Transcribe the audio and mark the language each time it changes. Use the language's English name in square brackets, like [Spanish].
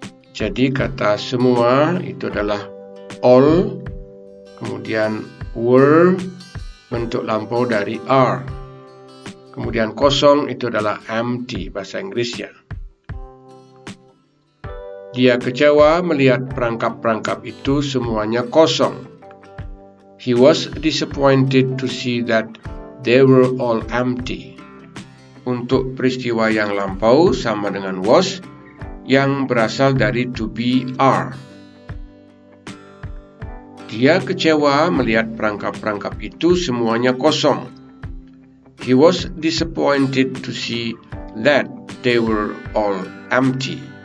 [Indonesian] Jadi kata semua itu adalah all, kemudian were, bentuk lampau dari are. Kemudian kosong itu adalah empty, bahasa Inggrisnya. Dia kecewa melihat perangkap-perangkap itu semuanya kosong. [English] He was disappointed to see that they were all empty. [Indonesian] Untuk peristiwa yang lampau sama dengan was, yang berasal dari to be are. Dia kecewa melihat perangkap-perangkap itu semuanya kosong. [English] He was disappointed to see that they were all empty.